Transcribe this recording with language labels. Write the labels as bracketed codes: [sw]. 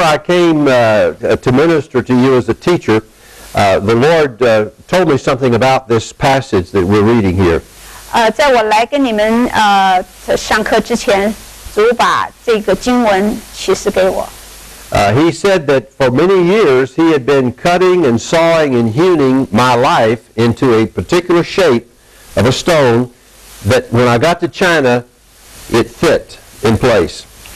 [en] I came to minister to you as a teacher, the Lord told me something about this passage that we're reading here. [zh] 在我来跟你们上课之前，主把这个经文启示给我。 [en] He said that for many years he had been cutting and sawing and hewing my life into a particular shape of a stone that when I got to China, it fit in place.